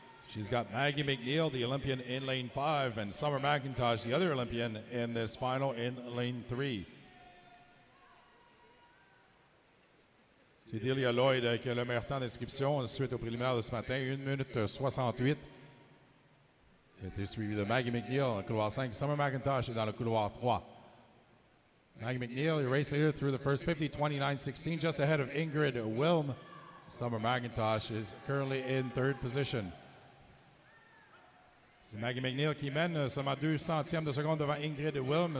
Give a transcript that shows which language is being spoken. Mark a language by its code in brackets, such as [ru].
[en] She's got Maggie Mac Neil, the Olympian, in lane 5, and Summer McIntosh, the other Olympian, in this final in lane 3. [fr] C'est Delia Lloyd qui a le meilleur temps d'inscription suite au préliminaire de ce matin, 1:00.68. Elle est suivie de Maggie Mac Neil, couloir 5, Summer McIntosh dans le couloir 3. [en] Maggie Mac Neil, your race leader through the first 50, 29.16, just ahead of Ingrid Wilm. Summer McIntosh is currently in third position. [fr] C'est Maggie Mac Neil qui mène seulement 2 centièmes de seconde devant Ingrid Wilm.